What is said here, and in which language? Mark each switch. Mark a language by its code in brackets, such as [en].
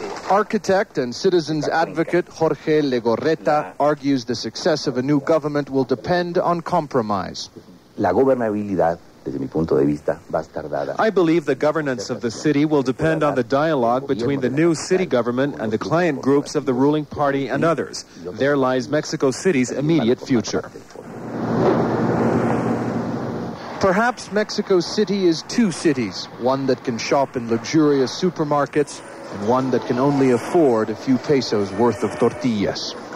[en] Architect and citizens advocate Jorge Legorreta argues the success of a new government will depend on compromise. [es] La gobernabilidad, desde mi punto de vista, va a estar dada. [en] I believe the governance of the city will depend on the dialogue between the new city government and the client groups of the ruling party and others. There lies Mexico City's immediate future. Perhaps Mexico City is two cities, one that can shop in luxurious supermarkets and one that can only afford a few pesos worth of tortillas.